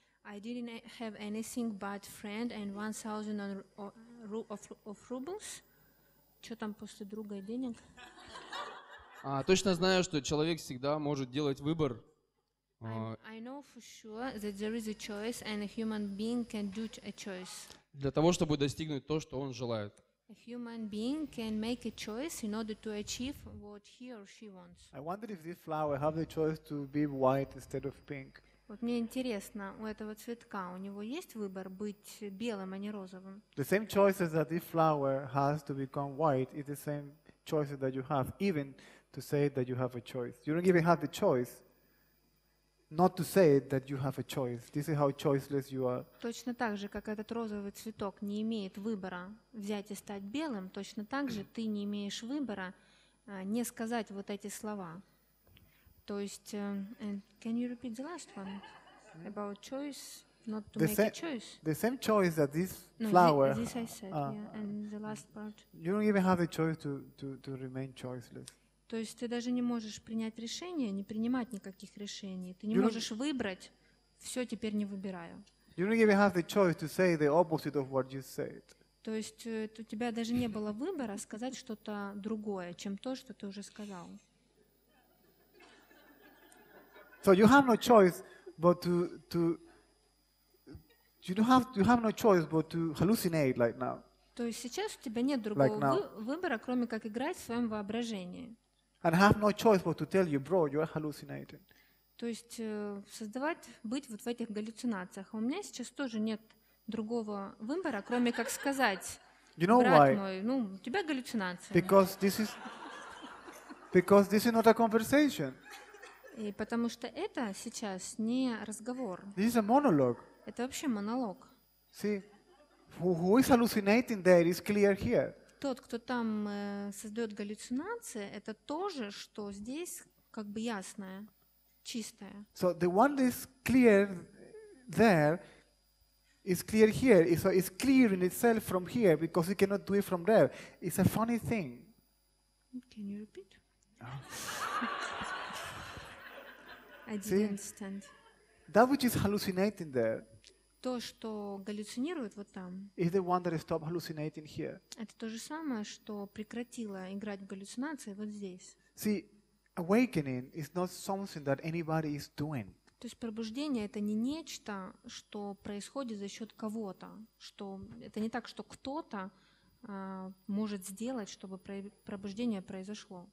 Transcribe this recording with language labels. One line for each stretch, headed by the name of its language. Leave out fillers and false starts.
English: I didn't have anything but friend and 1,000 of rubles.
Russian: Что там после друга и денег? А, точно знаю, что человек всегда может делать выбор.
English: I know for sure that there is a choice and a human being can do a choice.
Russian: Для того, чтобы достигнуть то, что он желает.
English: A human being can make a choice in order to achieve what he or she wants. I wonder if this flower have the choice to be white instead of pink.
Russian: Вот мне интересно, у этого цветка, у него есть выбор быть белым, а не розовым?
English: The same choices that this flower has to become white is the same choices that you have, even to say that you have a choice. You don't even have the choice not to say that you have a choice. This is how choiceless you are.
Russian: Точно так же, как этот розовый цветок не имеет выбора взять и стать белым, точно так же ты не имеешь выбора не сказать вот эти слова. То есть,
English: can you repeat the last one about choice, not to make a choice? The same choice that this flower. No, this I said. Yeah, and the last part. You don't even have the choice to remain choiceless.
Russian: То есть ты даже не можешь принять решение, не принимать никаких решений. Ты не можешь выбрать. Все теперь не выбираю.
English: You don't even have the choice to say the opposite of what you said.
Russian: То есть у тебя даже не было выбора сказать что-то другое, чем то, что ты уже сказал.
English: So you have no choice but to hallucinate like now.
Russian: То есть сейчас у тебя нет другого выбора, кроме как играть в своем воображении.
English: And have no choice but to tell you, bro, you are hallucinating.
Russian: То есть создавать, быть вот в этих галлюцинациях. У меня сейчас тоже нет другого выбора, кроме как сказать,
English: you know
Russian: брат
English: why?
Russian: Мой, ну, у тебя галлюцинация.
English: Because this is not a conversation.
Russian: И потому что это сейчас не разговор.
English: This is a monologue.
Russian: Это вообще монолог.
English: See, who is hallucinating there is clear here.
Russian: Тот, кто там создает галлюцинации, это тоже, что здесь как бы ясное, чистое.
English: So the one that is clear there is clear here. So it's clear in itself from here because it cannot do it from there. It's a funny thing. Can you repeat? I didn't Understand. That which is hallucinating there.
Russian: То, что галлюцинирует вот там,
English: is the one that stopped hallucinating here.
Russian: Это то же самое, что прекратило играть в галлюцинации вот здесь.
English: See, awakening is not something that anybody is doing.
Russian: То есть пробуждение — это не нечто, что происходит за счет кого-то. Что, это не так, что кто-то может сделать, чтобы пробуждение произошло.